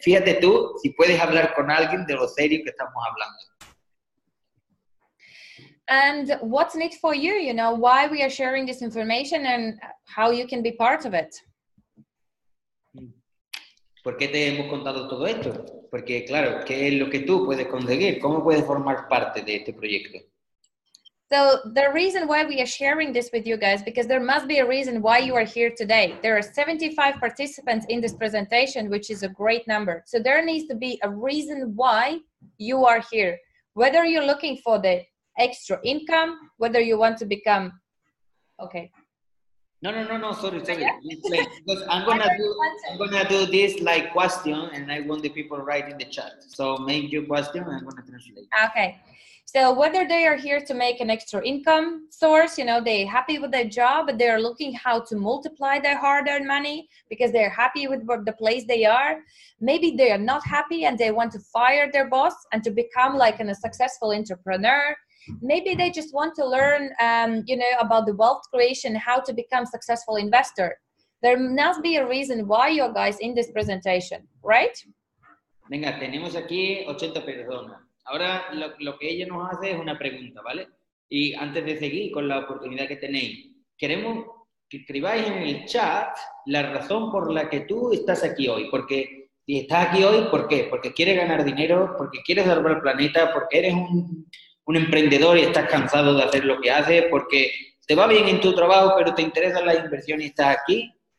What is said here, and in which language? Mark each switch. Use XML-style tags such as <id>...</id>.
<es>Fíjate tú si puedes hablar con alguien de lo serio que estamos hablando.</es> <en>And what's in it for you? You know, why we are sharing this information and how you can be part of it.</en> <es>¿Por qué te hemos contado todo esto? Porque, claro, ¿qué es lo que tú puedes conseguir? ¿Cómo puedes formar parte de este proyecto?</es> <en>So, the reason why we are sharing this with you guys, because there must be a reason why you are here today. There are 75 participants in this presentation, which is a great number. So, there needs to be a reason why you are here. Whether you're looking for the extra income, whether you want to become... Okay. No, sorry. Because I'm gonna do this like question and I want the people write in the chat. So make your question and I'm gonna translate. Okay. So whether they are here to make an extra income source, you know, they're happy with their job, but they're looking how to multiply their hard-earned money because they're happy with the place they are. Maybe they are not happy and they want to fire their boss and to become like a successful entrepreneur. Maybe they just want to learn, you know, about the wealth creation, how to become a successful investor. There must be a reason why you guys in this presentation, right?</en> <es>Venga, tenemos aquí 80 personas. Ahora lo que ella nos hace es una pregunta, ¿vale? Y antes de seguir con la oportunidad que tenéis, queremos que escribáis en el chat la razón por la que tú estás aquí hoy. Porque si estás aquí hoy, ¿por qué? Porque quieres ganar dinero, porque quieres salvar el planeta, porque eres un emprendedor y estás cansado de hacer lo que haces, porque te va bien en tu trabajo, pero te interesan las inversiones y estás aquí.</es>